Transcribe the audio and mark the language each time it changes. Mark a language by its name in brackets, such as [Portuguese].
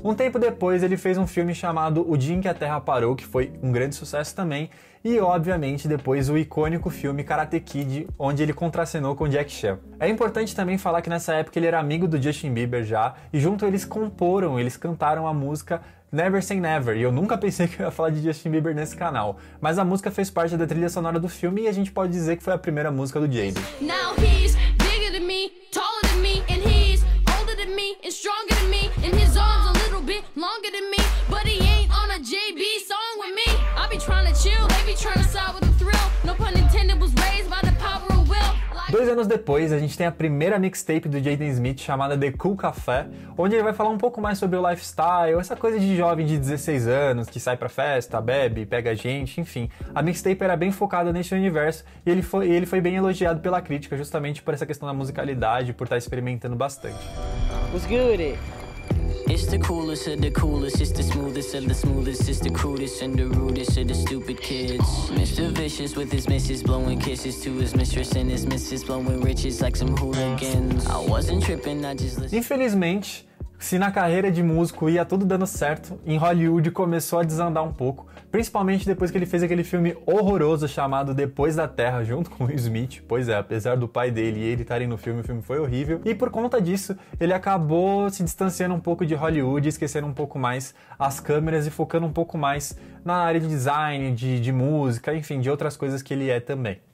[Portuguese] Um tempo depois, ele fez um filme chamado O Dia em que a Terra Parou, que foi um grande sucesso também, e obviamente depois o icônico filme Karate Kid, onde ele contracenou com Jackie Chan. É importante também falar que nessa época ele era amigo do Justin Bieber já, e junto eles comporam, eles cantaram a música Never Say Never, e eu nunca pensei que eu ia falar de Justin Bieber nesse canal. Mas a música fez parte da trilha sonora do filme e a gente pode dizer que foi a primeira música do Jaden. [English] Now he's bigger than me, taller than me, and he's older than me, and stronger than me, and his arms a little bit longer than me, but he ain't on a JB song with me. I be trying to chill, they be trying to side with the thrill, no pun intended, was raised by the power of will. [Portuguese] 2 anos depois, a gente tem a primeira mixtape do Jaden Smith, chamada The Cool Café, onde ele vai falar um pouco mais sobre o lifestyle, essa coisa de jovem de 16 anos, que sai pra festa, bebe, pega gente, enfim. A mixtape era bem focada nesse universo, e ele foi bem elogiado pela crítica, justamente por essa questão da musicalidade, por estar experimentando bastante. [English] What's good? It's the coolest of the coolest, it's the smoothest of the smoothest, it's the crudest and the rudest of the stupid kids. Mr. Vicious with his missus blowing kisses to his mistress and his missus blowing riches like some hooligans. I wasn't tripping, I just listened. [Portuguese] Infelizmente, se na carreira de músico ia tudo dando certo, em Hollywood começou a desandar um pouco, principalmente depois que ele fez aquele filme horroroso chamado Depois da Terra, junto com o Will Smith. Pois é, apesar do pai dele e ele estarem no filme, o filme foi horrível. E por conta disso, ele acabou se distanciando um pouco de Hollywood, esquecendo um pouco mais as câmeras e focando um pouco mais na área de design, de música, enfim, de outras coisas que ele é também.